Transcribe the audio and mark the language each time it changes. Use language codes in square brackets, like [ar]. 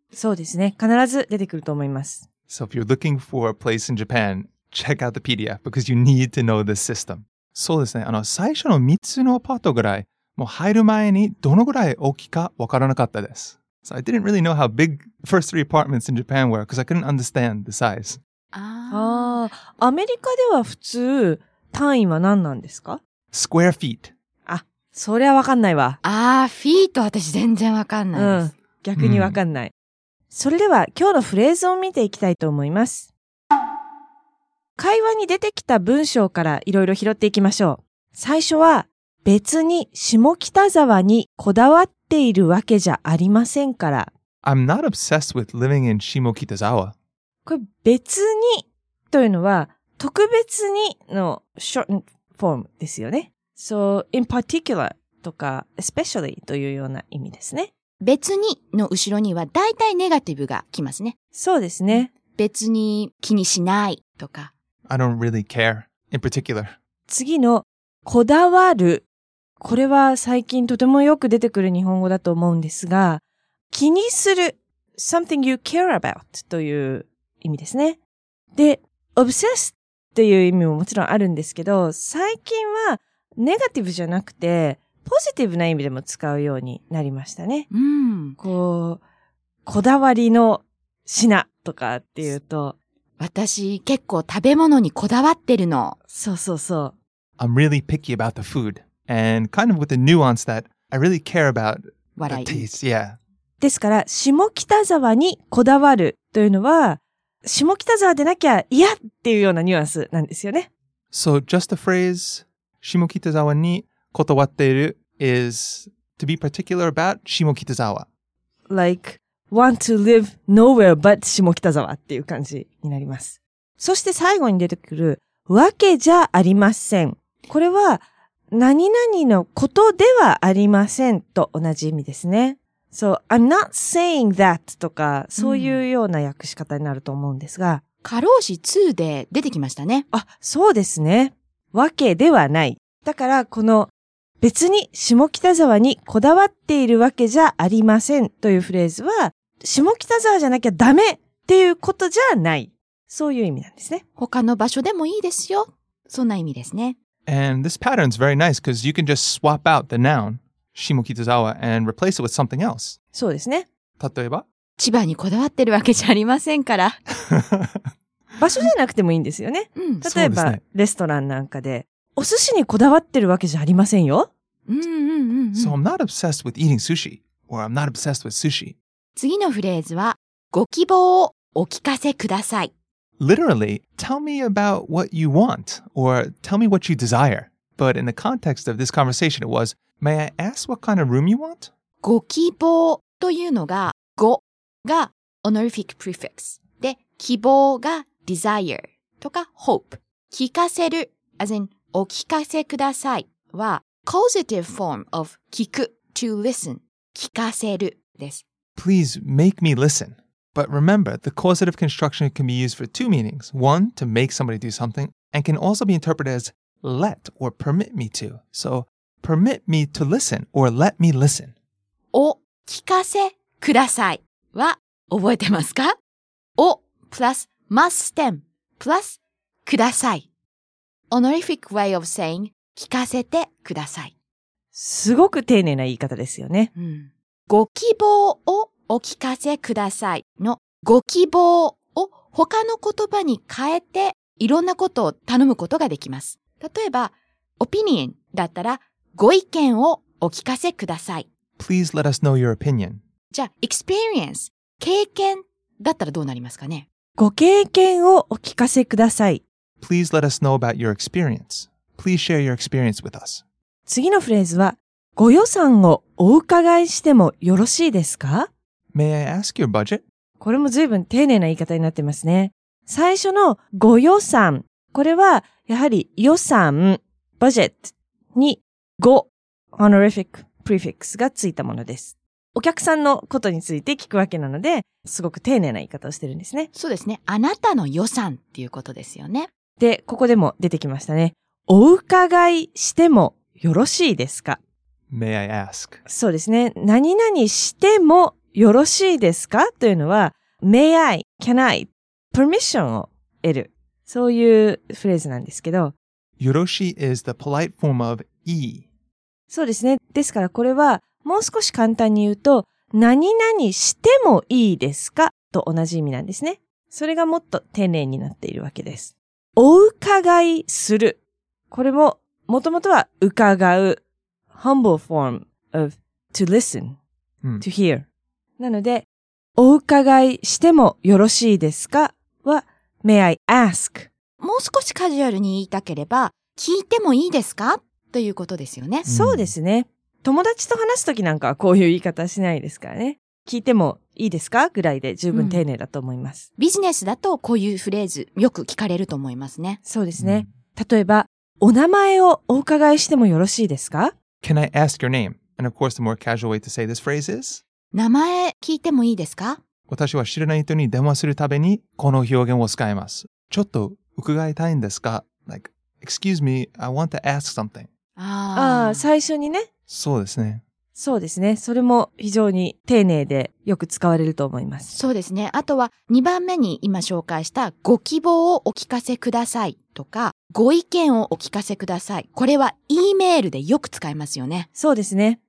[ja] そうですね。必ず出てくると思います。 [en] So if you're looking for a place in Japan, check out the PDF because you need to know this system. [ja] そうですね。最初の3つのアパートぐらい、もう入る前にどのぐらい大きいかわからなかったです。 [en] So I didn't really know how big the first three apartments in Japan were because I couldn't understand the size. [ja] アメリカでは普通単位は何なんですか? [en] Square feet. [ja] それはわかんないわ。フィート私全然わかんないです。逆にわかんない。それでは今日のフレーズを見ていきたいと思います。会話に出てきた文章からいろいろ拾っていきましょう。最初は別に下北沢にこだわっているわけじゃありませんから。 [en] I'm not obsessed with living in Shimokitazawa. [ja] これ別にというのは特別にの [en] shortened form [ja] ですよね。 [en] So in particular [ja] とか [en] especially [ja] というような意味ですね。別にの後ろにはだいたいネガティブがきますね。そうですね。別に気にしないとか。 [en] I don't really care in particular. [ja] 次のこだわる。これは最近とてもよく出てくる日本語だと思うんですが、気にする、 [en] something you care about [ja] という意味ですね。で、obsessed っていう意味ももちろんあるんですけど、最近はネガティブじゃなくて、ポジティブな意味でも使うようになりましたね。こう、こだわりの品とかっていうと。私結構食べ物にこだわってるの。そうそうそう。 [en] I'm really picky about the food. And kind of with the nuance that I really care about what the taste, yeah. [ja] ですから、下北沢にこだわるというのは、下北沢でなきゃ嫌っていうようなニュアンスなんですよね。 [en] So just a phrase, [ja] Shimokitazawa ni kotowatteiru [en] is to be particular about Shimokitazawa. Like, want to live nowhere but Shimokitazawa [ja] っていう感じになります。そして最後に出てくるわけじゃありません。これは何々のことではありませんと同じ意味ですね。 [en] So, I'm not saying that [ja] とか、そういうような訳し方になると思うんですが。過労死2で出てきましたね。あ、そうですね。わけではない。だから、この別に下北沢にこだわっているわけじゃありませんというフレーズは、下北沢じゃなきゃダメっていうことじゃない。そういう意味なんですね。他の場所でもいいですよ。そんな意味ですね。 [en] And this pattern is very nice because you can just swap out the noun, 下北沢, and replace it with something else. [ja] そうですね。例えば? 千葉にこだわってるわけじゃありませんから。場所じゃなくてもいいんですよね。うん、例えば、ね、レストランなんかで、お寿司にこだわってるわけじゃありませんよ。うんうんうん、うん。 [en] So I'm not obsessed with eating sushi, or I'm not obsessed with sushi. [ja] 次のフレーズは、ご希望をお聞かせください。 [en] Literally, tell me about what you want, or tell me what you desire. But in the context of this conversation, it was, may I ask what kind of room you want? [ja] ご希望というのが、ごが honorific prefix。で、希望が desire とか hope。 [en] 聞かせる、as in, お聞かせくださいは、causative form of 聞く to listen。 [ja] 聞かせるです。 [en] Please make me listen. But remember, the causative construction can be used for two meanings. One, to make somebody do something, and can also be interpreted as let or permit me to. So, permit me to listen or let me listen. [ja] お聞かせくださいは覚えてますか? [en] お plus must stem plus ください。 Honorific way of saying 聞かせてください。 [ja] すごく丁寧な言い方ですよね。うん、ご希望をお聞かせくださいのご希望を他の言葉に変えていろんなことを頼むことができます。例えば、opinion だったらご意見をお聞かせください。 [en] Please let us know your opinion. [ja] じゃあ、experience 経験だったらどうなりますかね。ご経験をお聞かせください。 [en] Please let us know about your experience. Please share your experience with us. [ja] 次のフレーズは、ご予算をお伺いしてもよろしいですか? [en] May I ask your budget? [ja] これも随分丁寧な言い方になってますね。最初のご予算。これはやはり予算、budget にご、honorific prefix がついたものです。お客さんのことについて聞くわけなので、すごく丁寧な言い方をしてるんですね。そうですね。あなたの予算っていうことですよね。で、ここでも出てきましたね。お伺いしてもよろしいですか? [en] May I ask? [ja] そうですね。何々してもよろしいですかというのは、 [en] may I, can I, [ja] permission を得る。そういうフレーズなんですけど。 [en] よろしい is the polite form of いい。 [ja] そうですね。ですからこれは、もう少し簡単に言うと、何々してもいいですかと同じ意味なんですね。それがもっと丁寧になっているわけです。お伺いする。これも、もともとは伺う。 [en] humble form of to listen,、to hear. [ja] なので、お伺いしてもよろしいですかは、 [en] May I ask? [ja] もう少しカジュアルに言いたければ、聞いてもいいですかということですよね。そうですね。友達と話すときなんかはこういう言い方しないですからね。聞いてもいいですかぐらいで十分丁寧だと思います、ビジネスだとこういうフレーズよく聞かれると思いますね。そうですね。例えば、お名前をお伺いしてもよろしいですか [en] Can I ask your name? And of course, the more casual way to say this phrase is... [ja] 名前聞いてもいいですか? 私は知らない人に電話するたびにこの表現を使います。ちょっと伺いたいんですか? [en] Like, excuse me, I want to ask something. [ja] ああ、最初にね。そうですね。そうですね。それも非常に丁寧でよく使われると思います。そうですね。あとは2番目に今紹介したご希望をお聞かせくださいとかご意見をお聞かせください。これは E メールでよく使いますよね。そうですね。